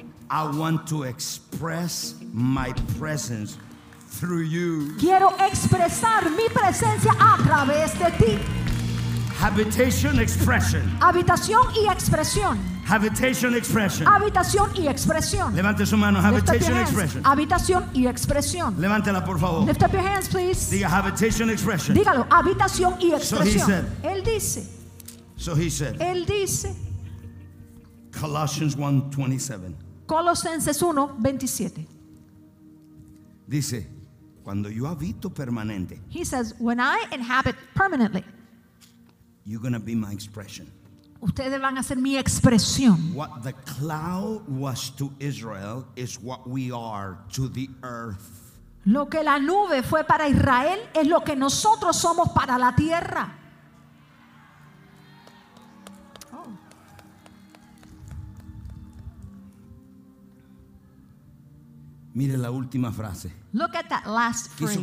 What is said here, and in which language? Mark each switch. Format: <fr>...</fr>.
<en>I want to express my presence through you.</en> <es>Quiero expresar mi presencia a través de ti.</es> <en>Habitation, expression.</en> <es>Habitación y expresión.</es> <en>Habitation, expression.</en> <es>Habitación y expresión. Levante su mano.</es> <en>Habitation, expression.</en> <es>Habitación y expresión. Levántela, por favor.</es> <en>Lift up your hands, please.</en> <es>Diga</es> <en>habitation, expression.</en> <es>Dígalo. Habitación y expresión.</es> <en>So he said.</en> <es>Él dice.</es> <en>So he said.</en> <es>Él dice.</es> <en>Colossians 1:27.</en> <es>Colosenses 1:27. Dice, cuando yo habito permanente.</es> <en>He says, when I inhabit permanently. You're going to be my expression.</en> <es>Ustedes van a ser mi expresión.</es> <en>What the cloud was to Israel is what we are to the earth.</en> <es>Lo que la nube fue para Israel es lo que nosotros somos para la tierra. Mire la última frase.</es> <en>Look at that last phrase.</en>